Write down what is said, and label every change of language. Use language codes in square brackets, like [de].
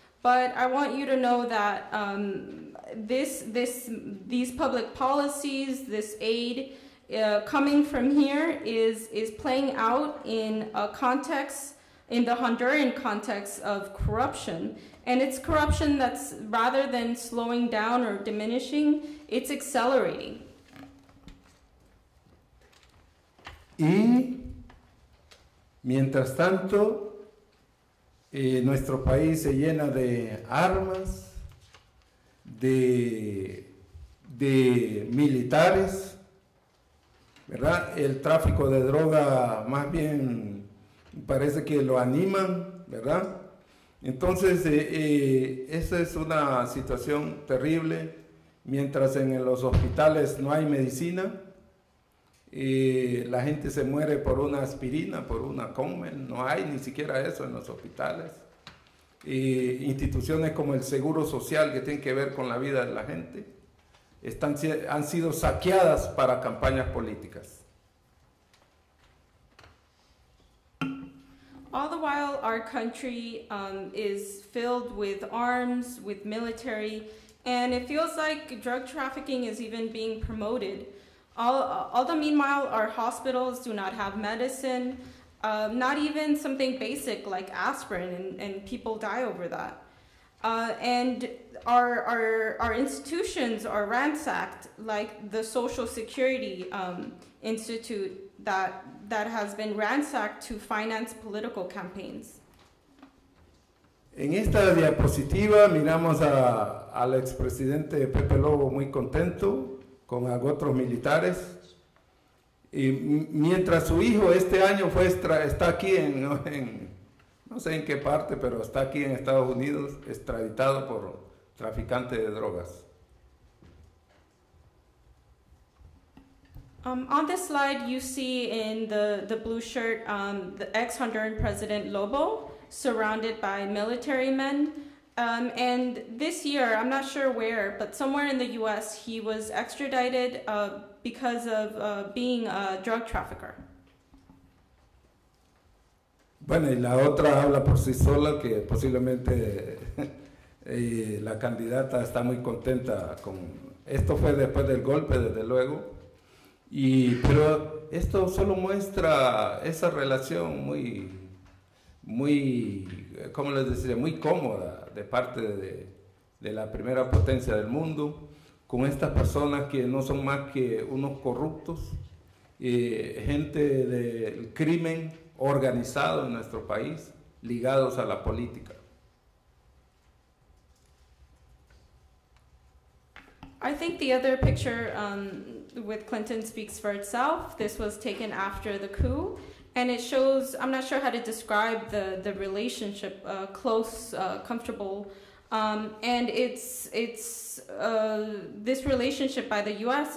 [en] But I want you to know that these public policies, this aid coming from here is playing out in a context, in the Honduran context of corruption. And it's corruption that's, rather than slowing down or diminishing, it's accelerating. [es] Y mientras tanto, nuestro país se llena de armas, de militares, ¿verdad? El tráfico de droga más bien parece que lo animan, ¿verdad? Entonces, esa es una situación terrible. Mientras en los hospitales no hay medicina, la gente se muere por una aspirina, por una Comen, no hay ni siquiera eso en los hospitales. Instituciones como el Seguro Social, que tienen que ver con la vida de la gente, han sido saqueadas para campañas políticas. [en] All the while, our country is filled with arms, with military, and it feels like drug trafficking is even being promoted. All the meanwhile, our hospitals do not have medicine, not even something basic like aspirin, and people die over that. And our institutions are ransacked, like the Social Security Institute that has been ransacked to finance political campaigns. [es] En esta diapositiva miramos al expresidente Pepe Lobo muy contento con otros militares, Y mientras su hijo este año fue está aquí en no sé en qué parte, pero está aquí en Estados Unidos, extraditado por traficante de drogas. [en] On this slide, you see in the blue shirt, the ex-Honduran president Lobo, surrounded by military men. And this year, I'm not sure where, but somewhere in the U.S., he was extradited because of being a drug trafficker. [es] Bueno, y la otra habla por sí sola, que posiblemente la candidata está muy contenta con... Esto fue después del golpe, desde luego. Y pero esto solo muestra esa relación muy, muy, como les decía, muy cómoda de parte de la primera potencia del mundo con estas personas que no son más que unos corruptos, gente del crimen organizado en nuestro país, ligados a la política. [en] I think the other picture with Clinton speaks for itself. This was taken after the coup, and it shows, I'm not sure how to describe the relationship, close, comfortable, and it's this relationship by the U.S.